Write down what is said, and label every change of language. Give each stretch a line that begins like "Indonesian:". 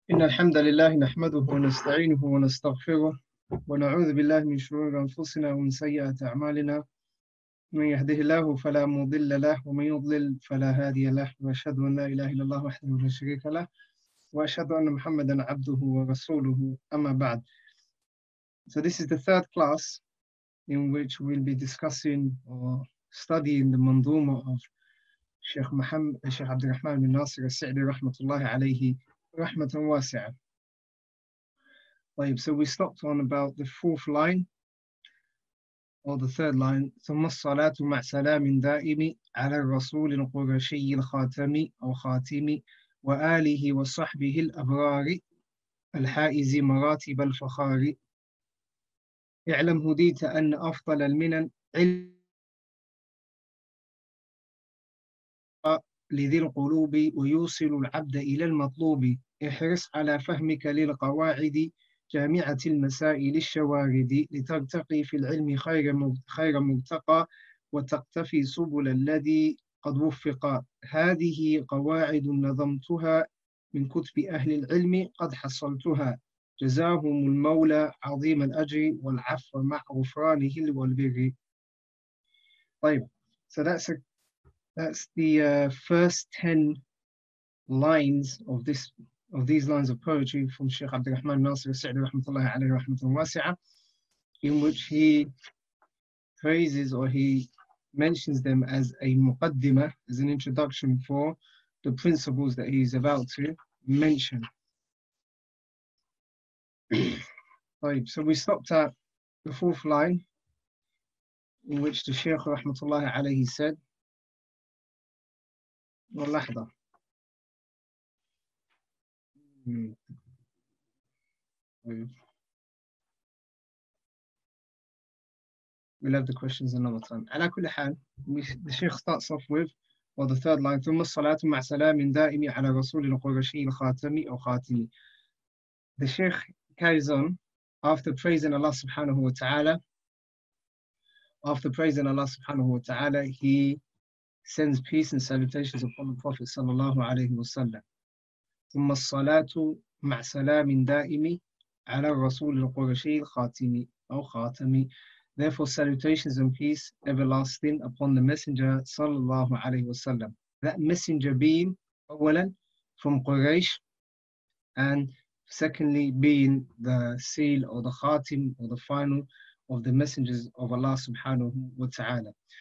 Arabic: إن الحمد لله نحمده ونستعينه ونستغفره ونعوذ بالله من شرور أنفسنا ومن سيئات أعمالنا، من يهده الله فلا مضل له ومن يضلل فلا هادي له، وأشهد أن لا إله إلا الله وحده لا شريك له وأشهد أن محمدا عبده ورسوله، أما بعد.
English: So this is the third class in which we'll be discussing or studying the Manzuma of Sheikh Muhammad Sheikh Abdul Rahman bin Nasir al-Sa'di
Arabic: رحمة الله عليه رحمة واسعة. طيب,
English: so we stopped on about the fourth line or the third line.
Arabic: ثم الصلاة مع سلام دائم على الرسول القرشي الخاتم أو خاتم وآله وصحبه الأبرار الحائز مراتب الفخار. اعلم هديت أن أفضل المنن علم لذي القلوب ويوصل العبد إلى المطلوب. احرص على فهمك للقواعد جامعة المسائل الشوارد لترتقي في العلم خير مرتقى وتقتفي سبل الذي قد وفق. هذه قواعد نظمتها من كتب أهل العلم قد حصلتها، جزاهم المولى عظيم الأجر والعفو مع غفرانه والبر. طيب,
English: so that's the first 10 lines of this of these lines of poetry from Sheikh Abdul Rahman Nasir al-Sa'di rahmatullahi alayhi rahmatun wasi'a, in which he praises or he mentions them as a muqaddima, as an introduction for the principles that he is about to mention. Right, so we stopped at the fourth line in which the Sheikh rahmatullahi alayhi said, wallahda. We'll have the questions another time.
Arabic: على كل حال,
English: the Sheikh starts off with, well, the third line,
Arabic: ثم الصلاة مع سلام دائم على رسول القرشي الخاتم أو خاتم.
English: The Sheikh carries on after praising Allah subhanahu wa ta'ala. After praising Allah subhanahu wa ta'ala, he sends peace and salutations upon the Prophet sallallahu alayhi wa sallam.
Arabic: ثم الصلاة مع سلام دائم على الرسول القرشي الخاتم أو خاتم.
English: Therefore salutations and peace everlasting upon the messenger
Arabic: صلى الله عليه وسلم.
English: That messenger being
Arabic: أولا
English: from Quraysh, and secondly being the seal or the خاتم or the final of the messengers of Allah
Arabic: سبحانه وتعالى.